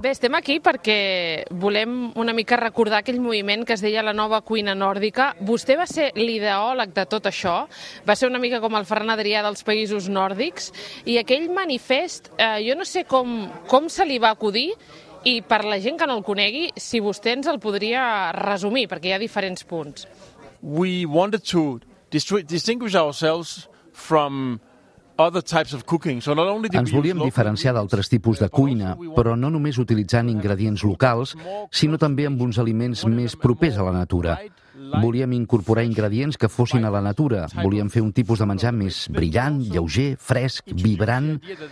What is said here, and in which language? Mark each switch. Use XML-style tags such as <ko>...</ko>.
<ca>Bé, estem aquí perquè volem una mica recordar aquell moviment que es deia la nova cuina nòrdica. Vostè va ser l'ideòleg de tot això, va ser una mica com el Ferran Adrià dels països nòrdics, i aquell manifest, jo no sé com se li va acudir, i per la gent que no el conegui, si vostè ens el podria resumir, perquè hi ha diferents punts.</ca> <en>We wanted to distinguish ourselves from other types of cooking. So not only</en> <ca>ens volíem diferenciar d'altres tipus de cuina, però no només utilitzant ingredients locals, sinó també amb uns aliments més propers a la natura. Volíem incorporar ingredients que fossin a la natura. Volíem fer un tipus de menjar més brillant, lleuger, fresc, vibrant.</ca>